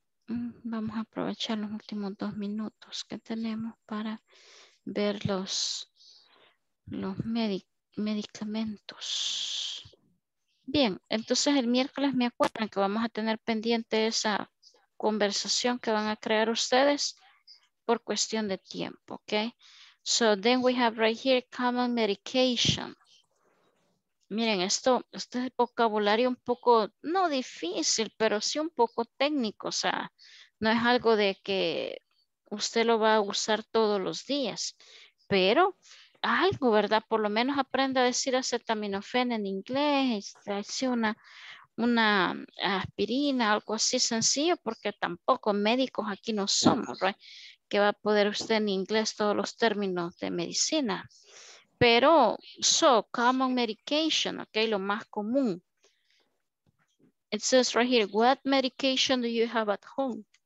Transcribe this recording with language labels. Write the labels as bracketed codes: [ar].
[es] Vamos a aprovechar los últimos 2 minutos que tenemos para ver los medicamentos. Bien, entonces el miércoles me acuerdan que vamos a tener pendiente esa conversación que van a crear ustedes por cuestión de tiempo, ¿ok? [en] So then we have right here common medication. [es] Miren, esto, este es el vocabulario un poco, no difícil, pero sí un poco técnico, o sea, no es algo de que usted lo va a usar todos los días, pero algo, ¿verdad? Por lo menos aprenda a decir acetaminofén en inglés, una aspirina, algo así sencillo, porque tampoco médicos aquí no somos, ¿verdad? Que va a poder usted en inglés todos los términos de medicina. Pero, so, common medication, ok, lo más común. [en] It says right here, what medication do you have at home?